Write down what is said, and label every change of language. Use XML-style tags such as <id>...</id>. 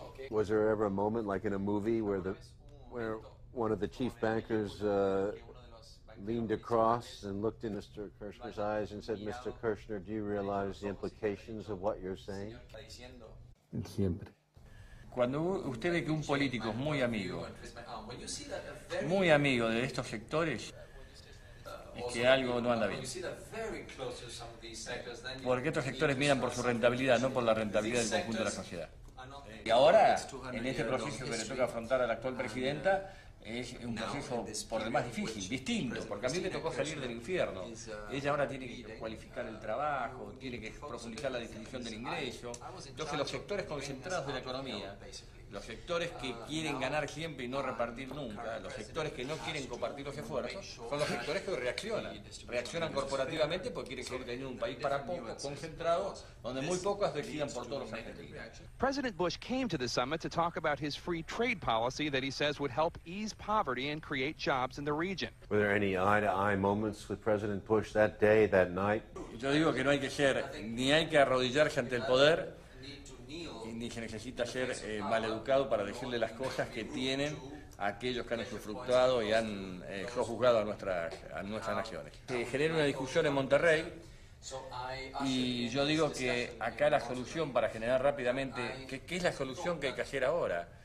<en>Was there ever a moment, like in a movie, where one of the chief bankers leaned across and looked in Mr. Kirchner's eyes and said, Mr. Kirchner, do you realize the implications of what you're saying?</en> <es>Siempre. Cuando usted ve que un político es muy amigo de estos sectores, es que algo no anda bien. Porque estos sectores miran por su rentabilidad, no por la rentabilidad del conjunto de la sociedad. Y ahora, en este proceso que le toca afrontar a la actual presidenta, es un proceso por demás difícil, distinto, porque a mí me tocó salir del infierno. Ella ahora tiene que cualificar el trabajo, tiene que profundizar la definición del ingreso. Entonces, los sectores concentrados de la economía, los sectores que quieren ganar siempre y no repartir nunca, los sectores que no quieren compartir los esfuerzos, son los sectores que reaccionan. Reaccionan corporativamente porque quieren seguir teniendo un país para pocos, concentrado, donde muy pocos decidan por todos los argentinos.</es> <en>President Bush came to the summit to talk about his free trade policy that he says would help ease poverty and create jobs in the region. Were there any eye-to-eye moments with President Bush that day, that night?</en> <es>Yo digo que no hay que ser, ni hay que arrodillarse ante el poder, ni se necesita ser maleducado para decirle las cosas que tienen aquellos que han usufructuado y han sojuzgado a nuestras naciones. Se genera una discusión en Monterrey y yo digo que acá la solución para generar rápidamente, ¿qué es la solución que hay que hacer ahora?</es>